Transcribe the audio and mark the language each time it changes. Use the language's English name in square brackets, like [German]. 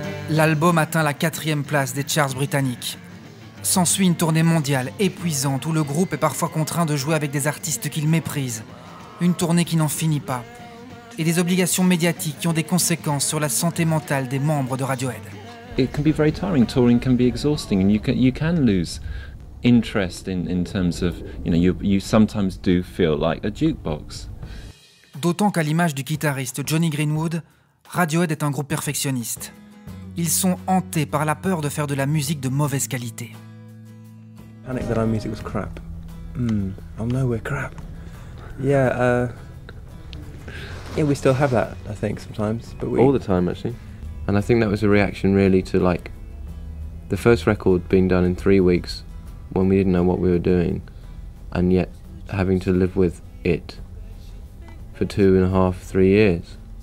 [French] L'album atteint la 4e place des charts britanniques. S'ensuit une tournée mondiale épuisante où le groupe est parfois contraint de jouer avec des artistes qu'il méprise. Une tournée qui n'en finit pas. Et des obligations médiatiques qui ont des conséquences sur la santé mentale des membres de Radiohead. [English] It can be very tiring. Touring can be exhausting and you can lose interest in terms of, you know, you sometimes do feel like a jukebox. [French] D'autant qu'à l'image du guitariste Johnny Greenwood, Radiohead est un groupe perfectionniste. Ils sont hantés par la peur de faire de la musique de mauvaise qualité. [English] Panic that our music was crap. I'm nowhere crap. Yeah, we still have that, I think, sometimes. But all the time, actually. And I think that was a reaction, really, to like the first record being done in 3 weeks when we didn't know what we were doing, and yet having to live with it for 2.5, 3 years.